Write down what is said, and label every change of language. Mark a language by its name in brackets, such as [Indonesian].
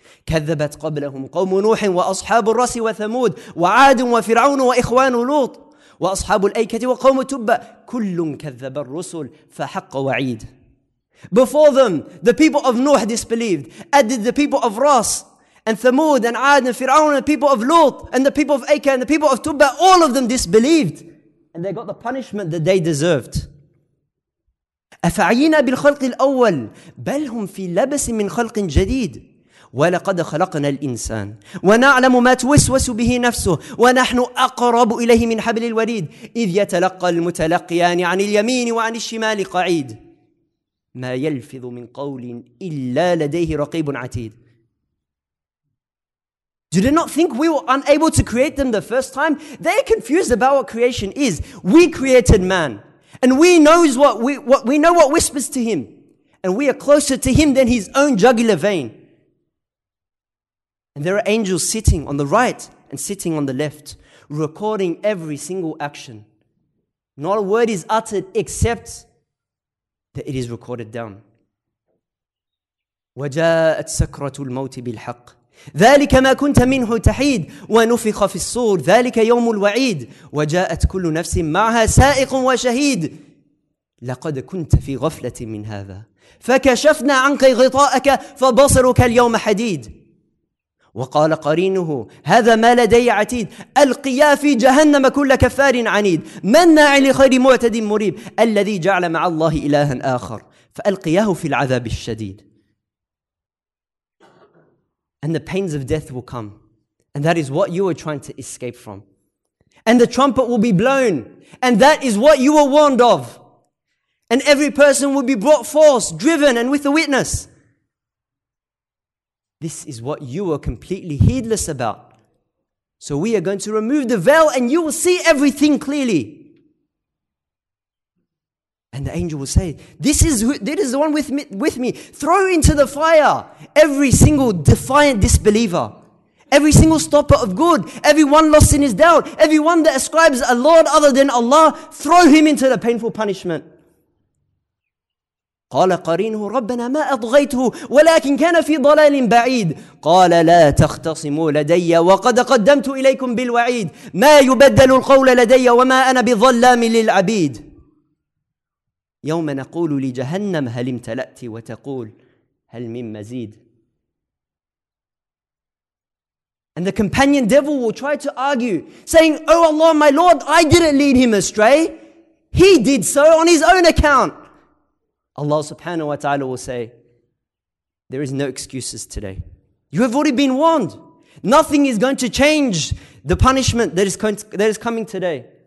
[Arabic] كَذَّبَتْ قَبْلَهُمْ قَوْمُ نُوحٍ وَأَصْحَابُ الرَّسِّ وَثَمُودُ وَعَادٌ وَفِرْعَوْنُ وَإِخْوَانُ لُوطٍ وَأَصْحَابُ الْأَيْكَةِ وَقَوْمُ تُبَّةِ كُلٌّ كَذَّبَ الرُّسُلِ فَحَقَّ وَعِيدٍ. [English] Before them, the people of Nuh disbelieved, as did the people of Ras, and Thamud, and Ad, and Fir'aun, and the people of Lut, and the people of Aka, and the people of Tubba, all of them disbelieved. And they got the punishment that they deserved. [Arabic] أَفَعَيِّنَا بِالْخَلْقِ الْأَوَّلِ بَلْ هُمْ فِي لَبَسٍ مِّنْ خَلْقٍ جَدِيدٍ وَلَقَدْ خَلَقْنَا الْإِنسَانَ وَنَعْلَمُ مَا تُوَسْوَسُ بِهِ نَفْسُهُ وَنَحْنُ أَقْرَبُ إِلَيْهِ مِنْ حَبْلِ الْوَرِيدِ إِذْ يَتَلَقَّى الْمُتَلَقِّيَانِ عَنِ الْيَمِينِ وَعَنِ الشِّمَالِ قَعِيدٌ مَا يَلْفِظُ مِنْ قَوْلٍ إِلَّا لَدَيْهِ رَقِيبٌ عَتِيدٌ. [English] Do they not think we were unable to create them the first time? They are confused about what creation is. We created man, and we know what whispers to him, and we are closer to him than his own jugular vein. And there are angels sitting on the right and sitting on the left, recording every single action. Not a word is uttered except that it is recorded down. [Arabic] وَجَاءَتْ سَكْرَةُ الْمَوْتِ بِالْحَقِّ ذَلِكَ مَا كُنْتَ مِنْهُ تَحِيدُ وَنُفِخَ فِي الصُّورِ ذَلِكَ يَوْمُ الْوَعِيدِ وَجَاءَتْ كُلُّ نَفْسٍ مَعَهَا سَائِقٌ وَشَهِيدٌ لَقَدْ كُنْتَ فِي غَفْلَةٍ مِنْ هَذَا فَكَشَفْنَا عَنْكَ غِطَاءَكَ فَبَصَرُكَ الْيَوْمَ حَدِيدٌ وقال قرينه هذا ما لدي عتيد القيا في جهنم كل كفار عنيد مناع لخير معتد مريب الذي جعل مع الله إلها آخر فألقياه في العذاب الشديد. [English] And the pains of death will come, and that is what you were trying to escape from. And the trumpet will be blown, and that is what you were warned of. And every person will be brought forth, driven, and with a witness. This is what you were completely heedless about. So we are going to remove the veil and you will see everything clearly. And the angel will say, This is the one with me. Throw into the fire every single defiant disbeliever, every single stopper of good, everyone lost in his doubt, everyone that ascribes a Lord other than Allah, throw him into the painful punishment. [Arabic] قال قرينه ربنا ما أطغيته ولكن كان في ضلال بعيد قال لا تختصموا لدي وقد قدمت إليكم بالوعيد ما يبدل القول لدي وما أنا بظلام للعبيد يوم نقول لجهنم هل امتلأت وتقول هل من مزيد. [English] And the companion devil will try to argue, saying, Oh Allah, my Lord, I didn't lead him astray. He did so on his own account. Allah subhanahu wa ta'ala will say, there is no excuses today. You have already been warned. Nothing is going to change the punishment that is coming today.